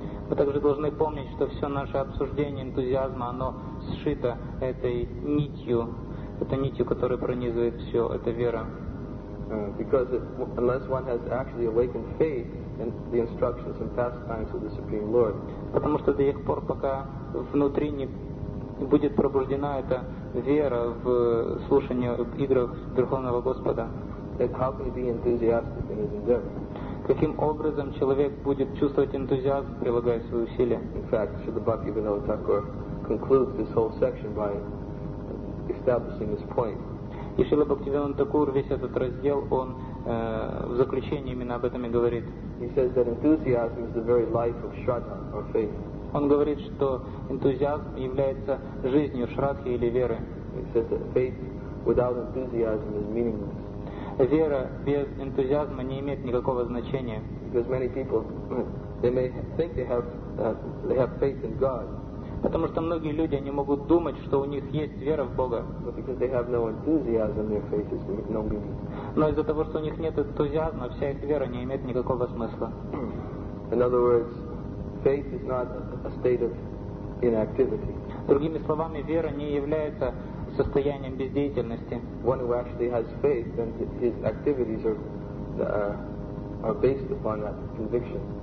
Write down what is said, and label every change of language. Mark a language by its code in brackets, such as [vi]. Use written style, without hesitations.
[ru] Мы также должны помнить, что все наше обсуждение энтузиазма, оно сшито этой нитью, этой нитью, которая пронизывает все, это вера. [en] Because unless one has actually awakened faith in the instructions and pastimes of the Supreme Lord. [ru] Потому что до тех пор, пока внутри не будет пробуждена эта вера в слушание в играх Верховного Господа. [en] Then how can he be enthusiastic in his endeavor? [ru] Каким образом человек будет чувствовать энтузиазм, прилагая свои усилия? [en] In fact, Śrīla Bhaktivinoda Thakura concludes this whole section by establishing this point. [ru] И Шрила Бхактивинода Такур весь этот раздел, он в заключении именно об этом и говорит. [en] He says that enthusiasm is the very life of Shraddha or faith. [ru] Он говорит, что энтузиазм является жизнью Шрадхи или веры. [en] He says that faith without enthusiasm is meaningless. [ru] Вера без энтузиазма не имеет никакого значения. [en] Because many people, they may think they have faith in God. [ru] Потому что многие люди, они могут думать, что у них есть вера в Бога. [en] But because they have no enthusiasm, their faith is no meaning. [ru] Но из-за того, что у них нет энтузиазма, вся их вера не имеет никакого смысла. [en] In other words, faith is not a state of inactivity. [ru] Другими словами, вера не является состоянием бездеятельности. [en] One who actually has faith, then his activities are based upon that conviction.